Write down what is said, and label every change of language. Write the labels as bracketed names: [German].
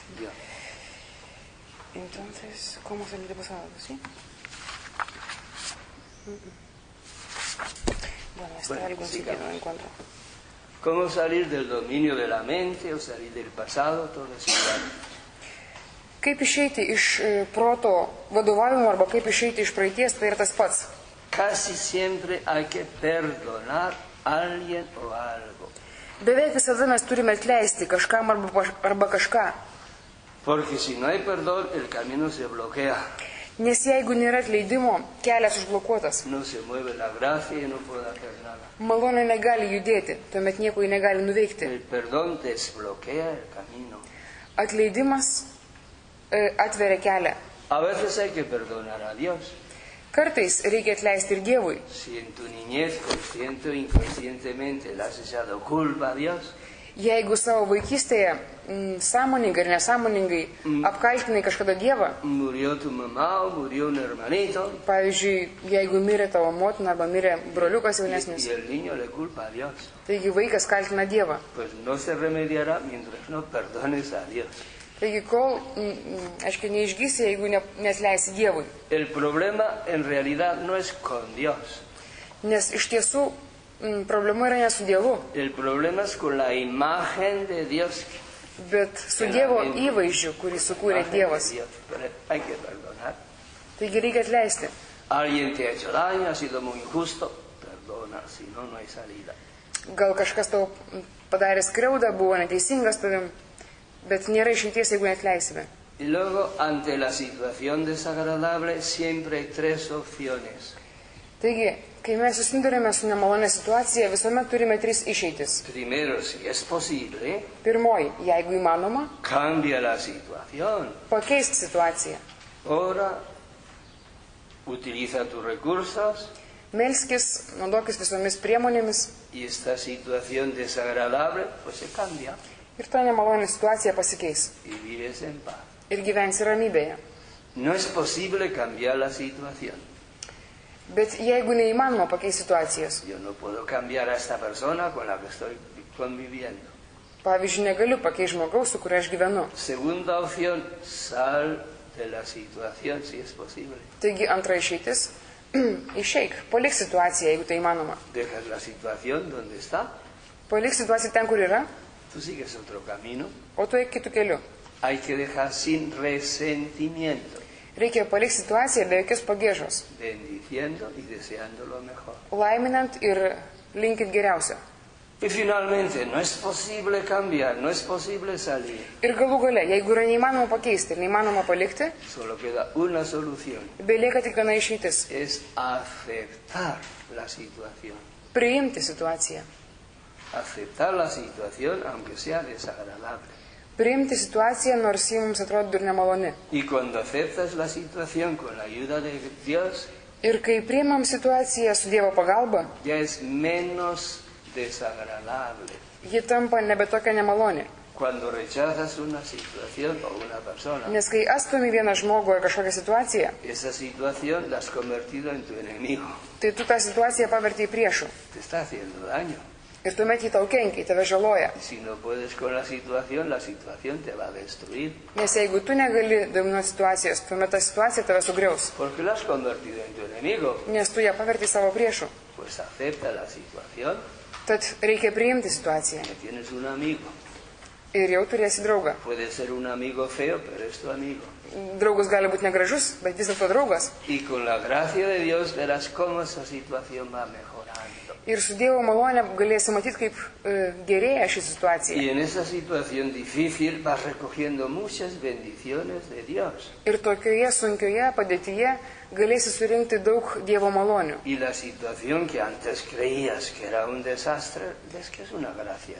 [Spanish] Yo. Entonces, ¿cómo salir de pasado, sí? Bueno, está bueno, algún sitio no encuentro. ¿Cómo salir del dominio de la mente o salir del pasado, todo eso? [Lithuanian] Kaip išeiti iš proto vadovavimo arba kaip išeiti iš praeities, tai yra tas pats. [Spanish] Casi siempre hay que perdonar alguien o algo. [Lithuanian] Beveik visada mes turime atleisti kažkam arba kažką. [Spanish] Porque si no hay perdón, el camino se bloquea. [Lithuanian] Nes jeigu nėra atleidimo, kelias užblokuotas. [Spanish] No se mueve la gracia y no puede hacer nada. [Lithuanian] Malonė negali judėti, tuomet nieko jį negali nuveikti. [Spanish] El perdón desbloquea el camino. [Lithuanian] Atleidimas atveria kelią. [Spanish] A veces hay que perdonar a Dios. [Lithuanian] Kartais reikia atleisti ir Dievui. [Spanish] Si en tu niñez consciente o inconscientemente le has echado culpa a Dios. [Lithuanian] Jeigu savo vaikystėje sąmoningai ir nesąmoningai apkaltinai kažkada Dievą. [Spanish] Murió tu mamá, murió un hermanito. [Lithuanian] Pavyzdžiui, jeigu mirė tavo motina arba mirė broliukas jaunesnis. [Spanish] Y el niño le culpa a Dios. [Lithuanian] Taigi vaikas kaltina Dievą. [Spanish] Pues no se remediará mientras no perdones a Dios. [Lithuanian] Taigi, kol, aišku, neišgysi, jeigu neatleisi Dievui. [Spanish] El problema en realidad no es con Dios. [Lithuanian] Nes iš tiesų problema yra ne su Dievu. [Spanish] El problema es con la imagen de Dios. [Lithuanian] Bet su Dievo įvaizdžiu, kurį sukūrė Dievas. [Spanish] Hay que perdonar. [Lithuanian] Taigi, reikia atleisti. [Spanish] Alguien te ha hecho daño, ha sido muy injusto. Perdona, si no, no hay salida. [Lithuanian] Gal kažkas tau padarė skriaudą, buvo neteisingas tavim. Bet nėra išimties, jeigu neatleisime. [Spanish] Y luego, ante la situación desagradable, siempre hay tres opciones. [Lithuanian] Taigi, kai mes susidurime su nemalonė situacija, visuomet turime tris išeitis. [Spanish] Primero, si es posible. [Lithuanian] Pirmoji, jeigu įmanoma. [Spanish] Cambia la situación. [Lithuanian] Pakeisk situaciją. [Spanish] Ora, utiliza tus recursos. [Lithuanian] Melskis, naudokis visomis priemonėmis. [Spanish] Y esta situación desagradable, pues se cambia. [Lithuanian] Ir ta nemalonė situacija pasikeis. Ir gyvensi ramybėje. [Spanish] No es posible cambiar la situación. [Lithuanian] Bet jeigu neįmanoma pakeisti situacijos. [Spanish] Yo no puedo cambiar a esta persona con la que estoy conviviendo. [Lithuanian] Pavyzdžiui, negaliu pakeisti žmogaus, su kuriuo aš gyvenu. [Spanish] Segunda opción, sal de la situación si es posible. [Lithuanian] Taigi antra išeitis, išeik, palik situaciją, jeigu tai įmanoma. [Spanish] Dejas la situación donde está. [Lithuanian] Palik situaciją ten, kur yra. [Spanish] Tú sigues otro camino. [Lithuanian] O tu eik kitu keliu. [Spanish] Hay que dejar sin resentimiento. [Lithuanian] Reikia palikti situaciją be jokios pagiežos. [Spanish] Bendiciendo y deseando lo mejor. [Lithuanian] Laiminant ir linkint geriausio. [Spanish] Y finalmente, no es posible cambiar, no es posible salir. [Lithuanian] Ir galų gale, jeigu yra neįmanoma pakeisti, neįmanoma palikti, [Spanish] solo queda una solución. [Lithuanian] Belieka tik viena išeitis. [Spanish] Es aceptar la situación. [Lithuanian] Priimti situaciją. [Spanish] Aceptar la situación, aunque sea desagradable. [Lithuanian] Priimti situaciją, nors ji mums atrodo ir nemaloni. [Spanish] Y cuando aceptas la situación con la ayuda de Dios, [Lithuanian] ir kai priimam situaciją su Dievo pagalba, [Spanish] ya es menos desagradable. [Lithuanian] Ji tampa nebe tokia nemaloni. [Spanish] Cuando rechazas una situación o una persona, [Lithuanian] nes kai atstumi vieną žmogų ar kažkokią situaciją, [Spanish] esa situación la has convertido en tu enemigo. [Lithuanian] Tai tu tą situaciją pavertei priešu. [Spanish] Te está haciendo daño. [Lithuanian] Ir tuomet jį tau kenkia, tave žaloja. [Spanish] Si no puedes con la situación te va a destruir. [Lithuanian] Nes jeigu tu negali dominuoti situacijos, tuomet ta situacija tave sugriaus. [Spanish] Porque la has convertido en tu enemigo. [Lithuanian] Nes tu ją pavertei savo priešu. [Spanish] Pues acepta la situación. [Lithuanian] Tad reikia priimti situaciją. [Spanish] Tienes un amigo. [Lithuanian] Ir jau turėsi draugą. [Spanish] Puede ser un amigo feo, pero es tu amigo. [Lithuanian] Draugus gali būti negražus, bet vis dėlto draugas. [Spanish] Y con la gracia de Dios verás cómo esa situación va mejorando. [Lithuanian] Ir su Dievo malone galėsi matyti, kaip gerėja ši situacija. [Spanish] Y en esa situación difícil vas recogiendo muchas bendiciones de Dios. [Lithuanian] Ir tokioje sunkioje padėtyje galėsi surinkti daug Dievo malonių. [Spanish] Y la situación que antes creías que era un desastre, es que es una gracia.